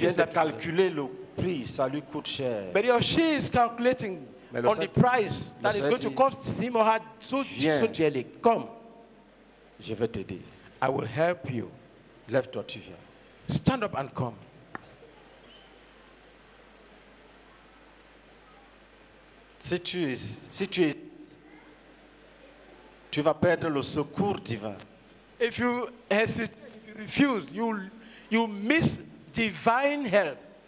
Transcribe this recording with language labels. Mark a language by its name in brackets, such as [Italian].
[French] vient de calculer le prix, ça lui coûte cher. [English] But your she is calculating on the price that is going to cost him or her so dearly. Come. [French] Je vais t'aider. [English] I will help you. [French] Lève-toi, tu viens. [English] Stand up and come. [French] Si tu es, tu vas perdre le secours divin. [English] If you hesitate, if you refuse, you miss divine help.